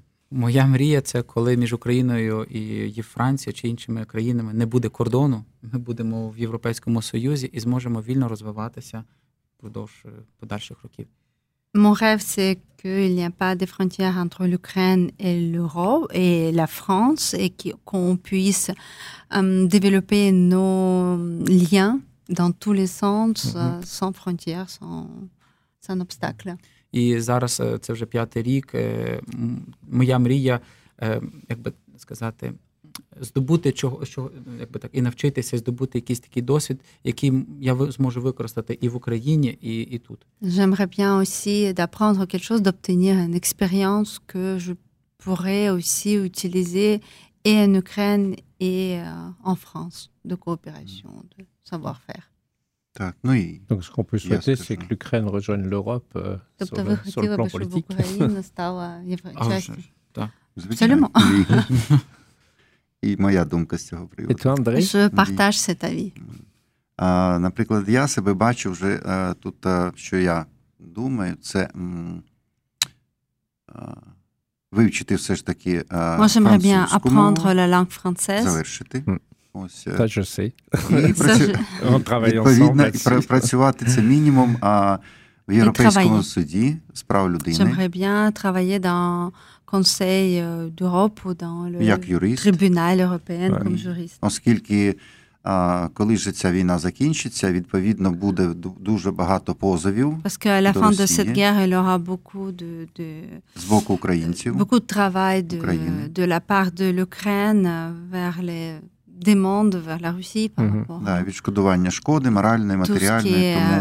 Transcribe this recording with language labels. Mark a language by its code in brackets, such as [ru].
[uk] Моя мрія – це коли між Україною і Францією чи іншими країнами не буде кордону, ми будемо в Європейському Союзі і зможемо вільно розвиватися впродовж подальших років. [fr] Mon rêve, c'est qu'il n'y a pas de frontières entre l'Ukraine et l'Europe et la France et qu'on puisse développer nos liens dans tous les sens, sans frontières, sans obstacles. [uk] І зараз це вже п'ятий рік. Моя мрія, як би сказати, здобути і навчитися здобути якийсь такий досвід, який я зможу використати і в Україні, і тут. [fr] J'aimerais bien aussi d'apprendre quelque chose, d'obtenir une expérience que je pourrais aussi utiliser et en Ukraine et en France, de coopération, de savoir-faire. Donc, ce qu'on peut souhaiter, c'est que l'Ukraine rejoigne l'Europe sur le plan politique. Absolument. [uk] І моя думка з цього приводу. [fr] Et toi, Андрей? Je partage cet avis. [uk] Наприклад, я себе бачу вже тут, що я думаю, це вивчити все ж таки французьку мову. [fr] Moi, j'aimerais bien apprendre la langue française. [uk] Завершити. Та же сей. Відповідно, працювати це мінімум в Європейському суді з прав людини. [fr] J'aimerais bien travailler dans Conseil d'Europe ou dans le Tribunal européen comme juriste. [uk] Оскільки, коли ж ця війна закінчиться, відповідно, буде дуже багато позовів. [fr] Parce qu'à la fin de cette guerre, il y aura beaucoup de [uk] з боку українців. [fr] Beaucoup de travail de la part de l'Ukraine vers les demandes vers la Russie par rapport. [uk] Да, відшкодування шкоди моральної, матеріальної,